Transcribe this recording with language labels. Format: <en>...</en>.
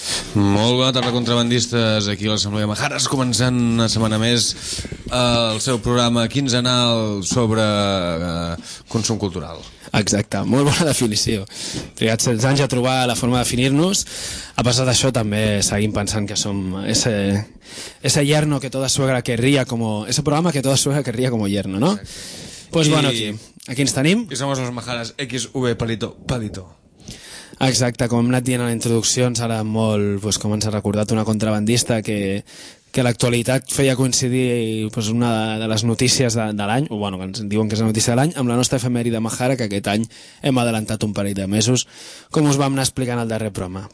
<ca>Molt bona tarda, contrabandistes, aquí a l'Assemblea Majares, començant una setmana més el seu programa quinzenal sobre consum cultural. Exacte, molt bona definició. Trigats 16 anys a trobar la forma de definir-nos. A pesar d'això, també seguim pensant que som</ca> <es>ese yerno que toda suegra querría como... Ese programa que toda suegra querría como yerno, ¿no? Exacte. Pues bueno,</es> <ca>aquí ens tenim.</ca> <es>I somos los Majares, XV, Palito, Palito.</es> <ca>Exacte, com hem anat dient a la introducció, ens agrada molt, pues, com ens ha recordat una contrabandista que l'actualitat feia coincidir, pues, una de les notícies de l'any, o bueno, que ens diuen que és la notícia de l'any, amb la nostra efemèride Majara, que aquest any hem adelantat un parell de mesos, com us vam anar explicant al darrer programa.</ca>